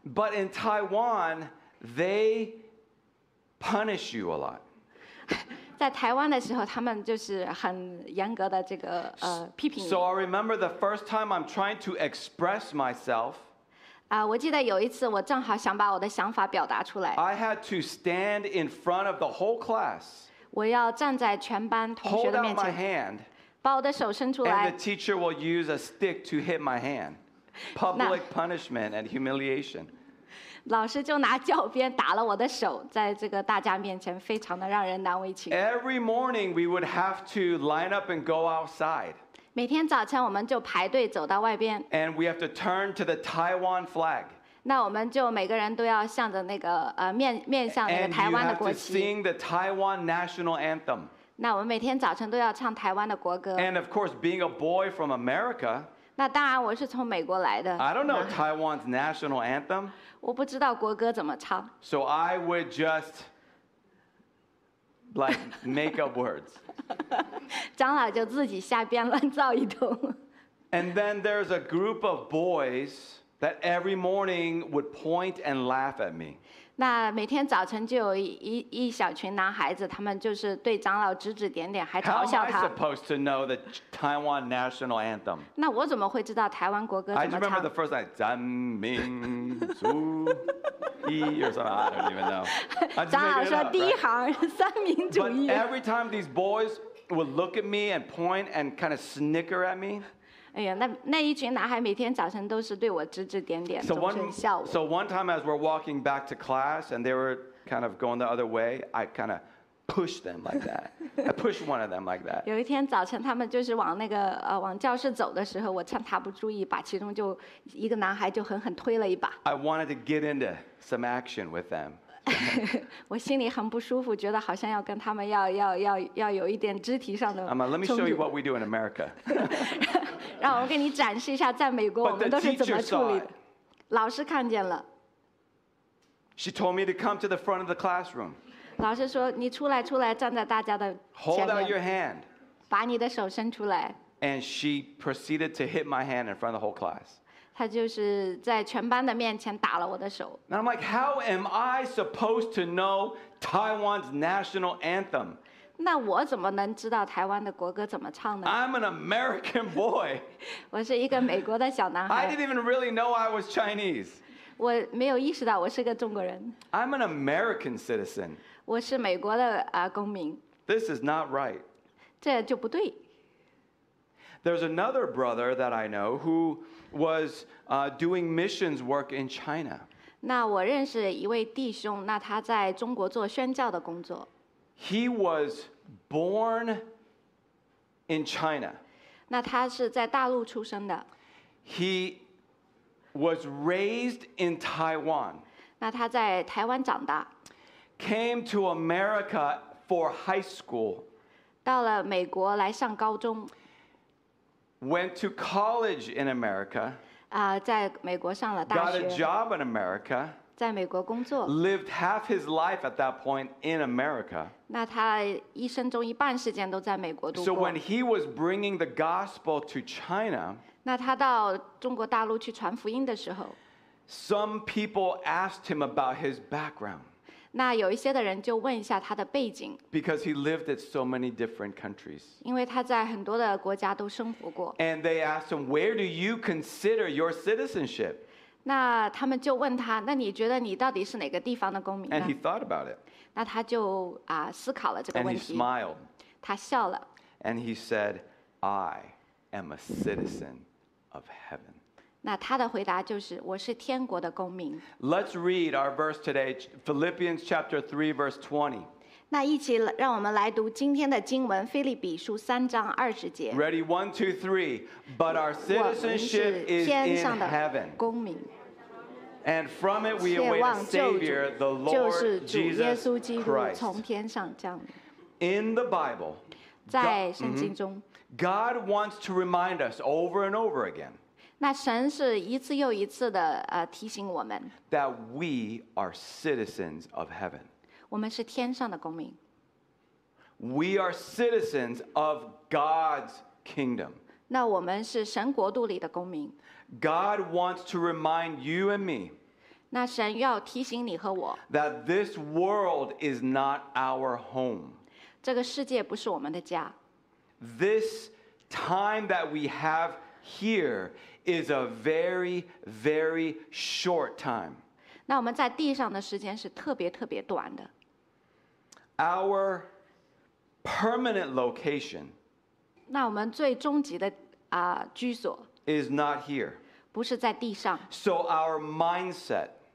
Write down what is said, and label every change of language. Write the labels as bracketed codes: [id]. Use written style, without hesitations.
[en] But in Taiwan, they punish you a lot. [zh] 在台湾的时候他们就是很严格的这个批评你。 [en] So I remember the first time I'm trying to express myself. [zh] 我记得有一次我正好想把我的想法表达出来。 [en] I had to stand in front of the whole class. [zh] 我要站在全班同学的面前。 [en] Hold out my hand. [zh] 把我的手伸出来。 [en] And the teacher will use a stick to hit my hand. Public punishment and humiliation. [zh] 老师就拿教鞭打了我的手，在这个大家面前，非常的让人难为情。 [en] Every morning we would have to line up and go outside. [zh] 每天早晨我们就排队走到外边。 [en] And we have to turn to the Taiwan flag. [zh] 那我们就每个人都要向着那个面向那个台湾的国旗。 [en] And you have to sing the Taiwan national anthem. [zh] 那我们每天早晨都要唱台湾的国歌。 [en] And of course, being a boy from America, [zh] 那当然我是从美国来的。 [en] I don't know Taiwan's national anthem. [zh] 我不知道国歌怎么唱。 [en] So I would just like make up words. [zh] 长老就自己瞎编乱造一通。 [en] And then there's a group of boys. that every morning would point and laugh at me. [zh] 那每天早晨就有 一小群男孩子，他们就是对长老指指点点，还嘲笑他。 [en] How am I supposed to know the Taiwan national anthem? [zh] 那我怎么会知道台湾国歌怎么唱 [en] ？I remember the first line, [zh] 咱民族一 [en] or something. I don't even know. [zh] 长老说第一行三民主义。 [en] But every time these boys would look at me and point and kind of snicker at me. [zh] 哎呀，那一群男孩每天早晨都是对我指指点点，总是笑我。 [en] So one time as we're walking back to class and they were kind of going the other way, I kind of pushed them like that. I pushed one of them like that. [zh] 有一天早晨他们就是往那个往教室走的时候，我趁他不注意，把其中就一个男孩就狠狠推了一把。 [en] I wanted to get into some action with them. [zh] 我心里很不舒服，觉得好像要跟他们要有一点肢体上的冲突。 [en] Let me show you what we do in America. [zh] 让我给你展示一下，在美国我们都是怎么处理的。老师看见了。 [en] She told me to come to the front of the classroom. [zh] 老师说你出来，出来，站在大家的前面。 [en] Hold out your hand. [zh] 把你的手伸出来。 [en] And she proceeded to hit my hand in front of the whole class. [zh] 她就是在全班的面前打了我的手。 [en] And I'm like, how am I supposed to know Taiwan's national anthem? [zh] 那我怎么能知道台湾的国歌怎么唱呢 [en] ？I'm an American boy. [zh] 我是一个美国的小男孩。 [en] I didn't even really know I was Chinese. [zh] 我没有意识到我是个中国人。 [en] I'm an American citizen. [zh] 我是美国的公民。 [en] This is not right. [zh] 这就不对。 [en] There's another brother that I know who was doing missions work in China. [zh] 那我认识一位弟兄，那他在中国做宣教的工作。 [en] He was born in China. [zh] 那他是在大陆出生的。 [en] He was raised in Taiwan. [zh] 那他在台湾长大。 [en] Came to America for high school. [zh] 到了美国来上高中。 [en] Went to college in America. [zh] 在美国上了大学。 [en] Got a job in America. [zh] 在美国工作。 [en] Lived half his life at that point in America. [zh] 那他一生中一半时间都在美国度过。 [en] So when he was bringing the gospel to China, [zh] 那他到中国大陆去传福音的时候， [en] some people asked him about his background. [zh] 那有一些的人就问一下他的背景。 [en] Because he lived in so many different countries. [zh] 因为他在很多的国家都生活过。 [en] And they asked him, "Where do you consider your citizenship?" [zh] 那他们就问他，那你觉得你到底是哪个地方的公民呢？ [en] And he thought about it. [zh] 那他就思考了这个问题。 [en] And he smiled. [zh] 他笑了。 [en] And he said, "I am a citizen of heaven." [zh] 那他的回答就是，我是天国的公民。 [en] Let's read our verse today, Philippians chapter 3, verse 20. [zh] 那一起让我们来读今天的经文，腓立比书三章二十节。 [en] Ready, one, two, three. But our citizenship is in heaven. [zh] 公民。 [en] And from it we await a Savior, the Lord Jesus Christ. [zh] 就是主耶稣基督从天上降临。 [en] In the Bible, [zh] 在圣经中 [en] God wants to remind us over and over again. [zh] 那神是一次又一次的提醒我们 [en] that we are citizens of heaven. [zh] 我们是天上的公民。 [en] We are citizens of God's kingdom. [zh] 那我们是神国度里的公民。 [en] God wants to remind you and me. [zh] 那神要提醒你和我。 [en] That this world is not our home. [zh] 这个世界不是我们的家。 [en] This time that we have here is a very, very short time. [zh] 那我们在地上的时间是特别特别短的。 [en] Our permanent location, [zh] 那我们最终极的居所 [en] is not here. [zh] 不是在地上。 [en] So our mindset,